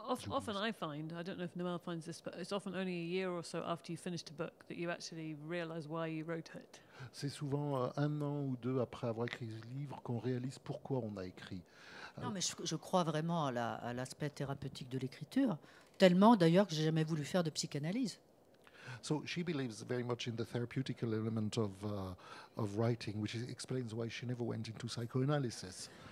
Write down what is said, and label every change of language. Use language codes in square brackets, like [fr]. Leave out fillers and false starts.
[en] Often I find, I don't know if Noël finds this, but it's often only a year or so after you finished a book that you actually realize why you wrote it. [fr] C'est souvent un an ou deux après avoir écrit le livre qu'on réalise pourquoi on a écrit. Non, mais je crois vraiment à l'aspect thérapeutique de l'écriture, tellement d'ailleurs que j'ai jamais voulu faire de psychanalyse. [en] So she believes very much in the therapeutic element of writing, which explains why she never went into psychoanalysis.